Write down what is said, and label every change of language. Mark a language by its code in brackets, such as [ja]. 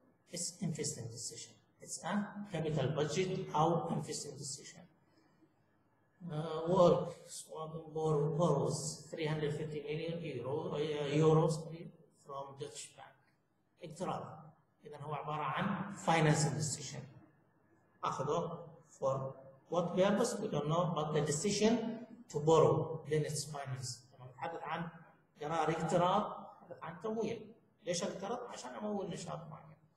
[en] It's investing decision. It's a capital budget or investing decision. Work swapping borrows €350 million from Deutsche Bank. [ar] اقتراض. إذا هو عبارة عن [en] financing decision. [ar] أخذه [en] for what purpose we don't know, but the decision to borrow, then it's finance. [ar] لما نتحدث عن قرار اقتراض, نتحدث عن تمويل. ليش اقترض؟ عشان أمول نشاط معين.